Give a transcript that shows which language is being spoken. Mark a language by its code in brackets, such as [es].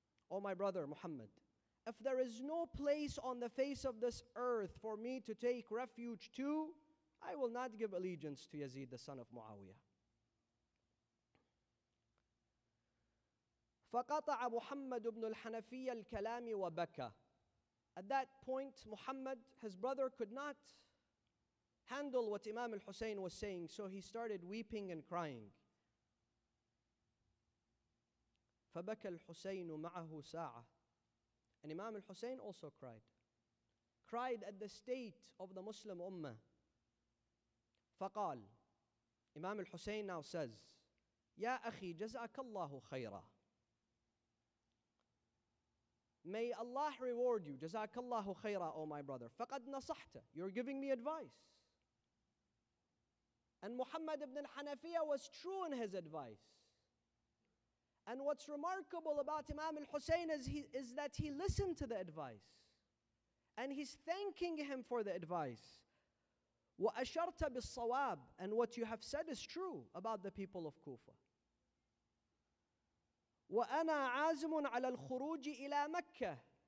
[en] Oh my brother Muhammad, if there is no place on the face of this earth for me to take refuge to, I will not give allegiance to Yazid the son of Muawiyah. [ar] فقطع محمد بن الحنفية الكلام وبكى. [en] At that point, Muhammad, his brother, could not handle what Imam al-Hussein was saying, so he started weeping and crying. [ar] فبكى الحسين معه ساعة. [en] And Imam al-Hussein also cried at the state of the Muslim Ummah. [ar] فقال, [en] Imam al-Hussein now says, [ar] يا أخي جزاك الله خيرا. [en] May Allah reward you. [ar] Jazakallahu khayra, [en] O my brother. [ar] Faqad nasahta. [en] You're giving me advice. And Muhammad ibn al-Hanafiyyah was true in his advice. And what's remarkable about Imam al-Hussein is that he listened to the advice. And he's thanking him for the advice. [ar] Wa asharta bis-sawab. [en] And what you have said is true about the people of Kufa. [ar] وأنا عازم على الخروج إلى مكة.